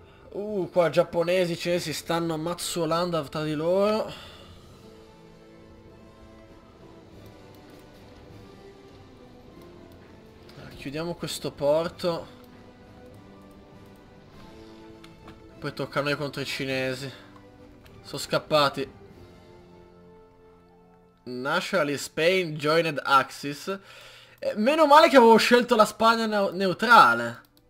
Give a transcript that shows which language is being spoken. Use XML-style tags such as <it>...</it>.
<it>Qua giapponesi, cinesi stanno ammazzolando tra di loro. Chiudiamo questo porto. Poi tocca a noi contro i cinesi. Sono scappati.</it> <en>Nationally Spain joined Axis.</en> <it>Meno male che avevo scelto la Spagna neutrale.</it>